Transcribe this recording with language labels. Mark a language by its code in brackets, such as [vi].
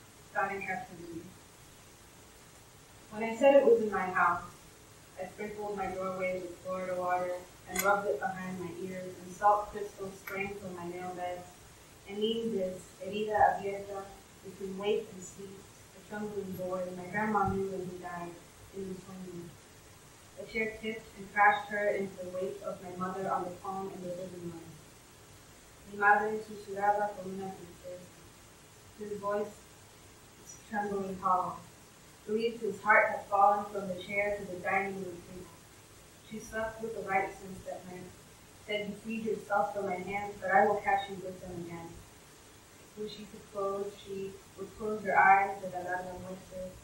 [en] Starting after me. When I said it was in my house, I sprinkled my doorway with Florida water and rubbed it behind my ears, and salt crystals sprang from my nail beds. And leaned this [es] herida abierta [en] between wake and sleep, a trembling boy my grandma knew when he died in the 20s. A chair tipped and crashed her into the wake of my mother on the phone in the living room. [es] Mi madre susurraba con una tristeza. [en] His voice was trembling hollow. Believed his heart had fallen from the chair to the dining room table. She slept with the light since that night. Said he freed himself from my hands, but I will catch you with them again. When she could close, she would close her eyes with a lava moisture.